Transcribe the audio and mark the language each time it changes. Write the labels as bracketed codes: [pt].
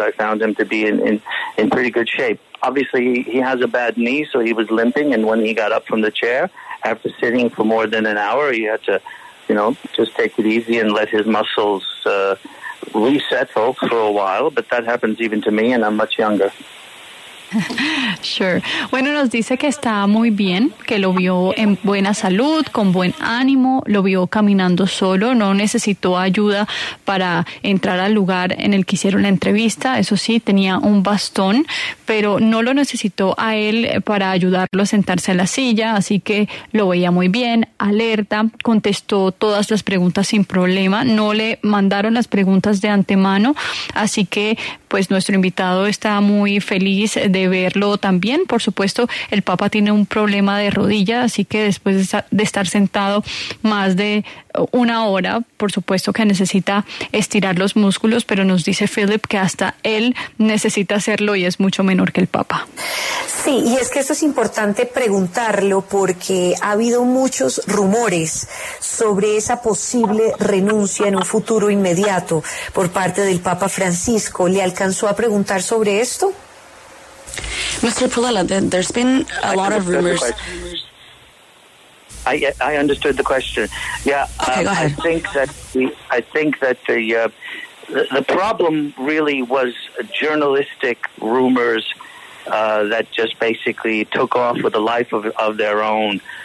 [en] I found him to be in pretty good shape. Obviously, he has a bad knee, so he was limping. And when he got up from the chair after sitting for more than an hour, he had to, you know, just take it easy and let his muscles resettle for a while. But that happens even to me, and I'm much younger. Sure. [es] Bueno, nos dice que está muy bien, que lo vio en buena salud, con buen ánimo, lo vio caminando solo, no necesitó ayuda para entrar al lugar en el que hicieron la entrevista. Eso sí, tenía un bastón, pero no lo necesitó a él para ayudarlo a sentarse en la silla, así que lo veía muy bien, alerta, contestó todas las preguntas sin problema, no le mandaron las preguntas de antemano, así que pues nuestro invitado está muy feliz de verlo también. Por supuesto, el Papa tiene un problema de rodilla, así que después de estar sentado más de una hora, por supuesto que necesita estirar los músculos, pero nos dice Philip que hasta él necesita hacerlo y es mucho menor que el Papa. Sí, y es que eso es importante preguntarlo porque ha habido muchos rumores sobre esa posible renuncia en un futuro inmediato por parte del Papa Francisco. ¿Le alcanzó a preguntar sobre esto? [en] Mr. Pulella, there's been a lot of rumors. I understood the question. Yeah, okay, go ahead. I think that the problem really was journalistic rumors that just basically took off with a life of their own.